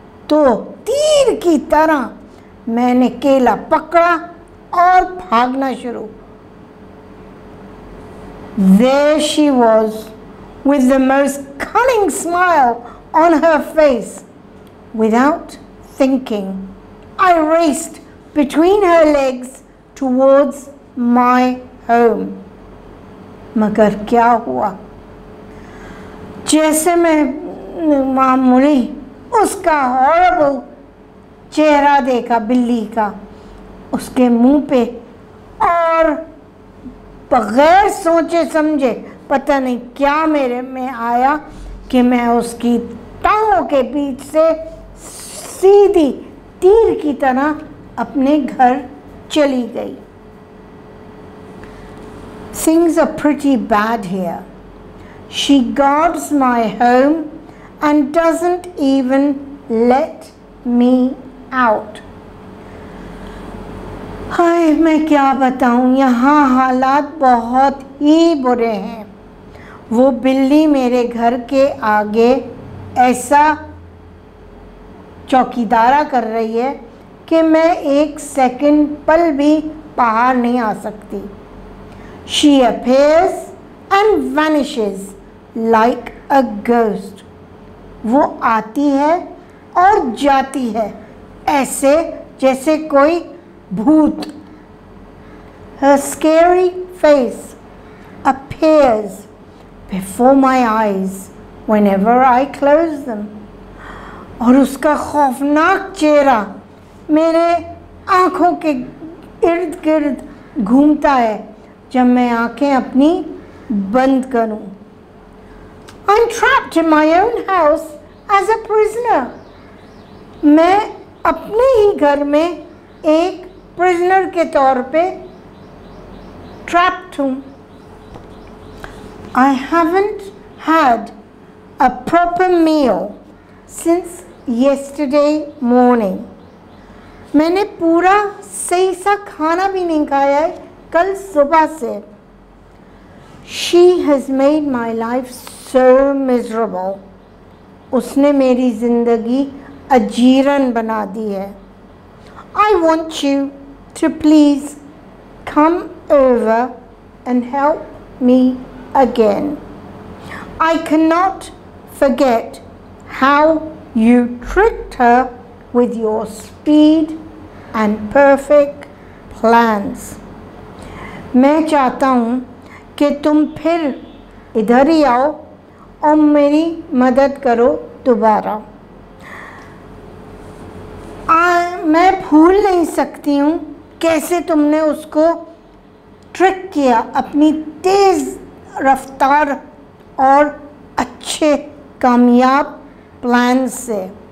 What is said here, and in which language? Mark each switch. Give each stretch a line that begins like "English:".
Hindi: तो तीर की तरह मैंने केला पकड़ा और भागना शुरू।
English: There she was with the most cunning smile on her face. Without thinking, I raced between her legs towards my home.
Hindi: मगर क्या हुआ, जैसे मैं वहां मुड़ी उसका हॉरिबल चेहरा देखा बिल्ली का, उसके मुंह पे और बगैर सोचे समझे पता नहीं क्या मेरे में आया कि मैं उसकी टांगों के बीच से सीधी तीर की तरह अपने घर चली गई।
English: Things are pretty bad here. She guards my home and doesn't even let me out.
Hindi: हाय, मैं क्या बताऊँ, यहाँ हालात बहुत ही बुरे हैं। वो बिल्ली मेरे घर के आगे ऐसा चौकीदारा कर रही है कि मैं एक सेकंड पल भी बाहर नहीं आ सकती।
English: She appears and vanishes like a ghost.
Hindi: वो आती है और जाती है ऐसे जैसे कोई भूत।
English: Her scary face appears before my eyes whenever I close them.
Hindi: और उसका खौफनाक चेहरा मेरे आँखों के इर्द गिर्द घूमता है जब मैं आँखें अपनी बंद करूँ।
English: I'm trapped in my own house as a prisoner.
Hindi: मैं अपने ही घर में एक प्रिजनर के तौर पे ट्रैप्ड हूँ।
English: I haven't had a proper meal since yesterday morning.
Hindi: मैंने पूरा सही सा खाना भी नहीं खाया है कल सुबह से।
English: She has made my life so miserable.
Hindi: उसने मेरी जिंदगी अजीरन बना दी है।
English: I want you to please come over and help me again. I cannot forget how you tricked her with your speed and perfect plans.
Hindi: मैं चाहता हूँ कि तुम फिर इधर ही आओ और मेरी मदद करो दोबारा। मैं भूल नहीं सकती हूँ कैसे तुमने उसको ट्रिक किया अपनी तेज रफ्तार और अच्छे कामयाब प्लान से।